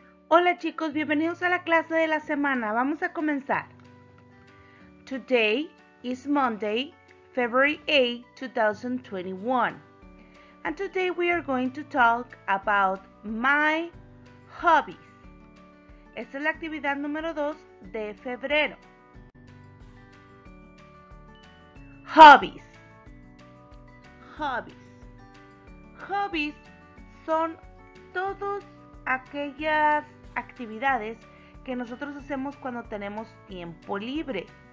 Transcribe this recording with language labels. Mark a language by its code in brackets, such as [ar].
[es] Hola chicos, bienvenidos a la clase de la semana. Vamos a comenzar. [en] Today is Monday, February 8, 2021. And today we are going to talk about my hobbies. [es] Esta es la actividad número 2 de febrero. Hobbies. Hobbies. Hobbies son todas aquellas actividades que nosotros hacemos cuando tenemos tiempo libre.